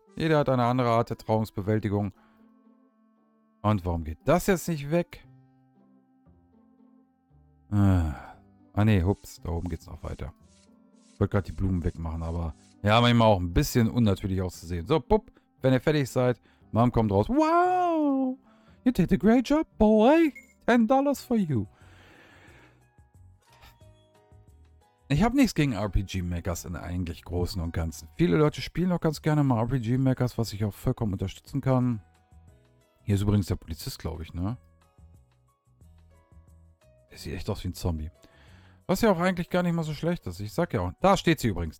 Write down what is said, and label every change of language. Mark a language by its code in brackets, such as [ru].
[de] Jeder hat eine andere Art der Trauungsbewältigung. Und warum geht das jetzt nicht weg? Ah, nee, hups, da oben geht's noch weiter. Ich wollte gerade die Blumen wegmachen, aber ja, manchmal auch ein bisschen unnatürlich auszusehen. So, pup, wenn ihr fertig seid, Mom kommt raus. [en] Wow, you did a great job, boy. $10 for you. [de] Ich habe nichts gegen RPG-Makers in eigentlich Großen und Ganzen. Viele Leute spielen auch ganz gerne mal RPG-Makers, was ich auch vollkommen unterstützen kann. Hier ist übrigens der Polizist, glaube ich, ne? Der sieht echt aus wie ein Zombie. Was ja auch eigentlich gar nicht mal so schlecht ist. Ich sag ja auch, da steht sie übrigens.